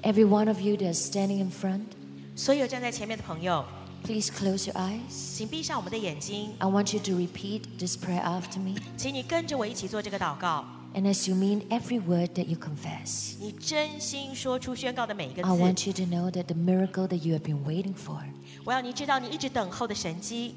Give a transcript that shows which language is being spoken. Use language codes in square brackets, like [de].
[en] Every one of you that's standing in front, so you're standing [zh] 前面的朋友 [en] please close your eyes. [zh] 请闭上我们的眼睛 [en] I want you to repeat this prayer after me. [zh] 请你跟着我一起做这个祷告 [en] And as you mean every word that you confess. [zh] 你真心说出宣告的每一个字 [en] I want you to know that the miracle that you have been waiting for [zh] 我要你知道你一直等候的神迹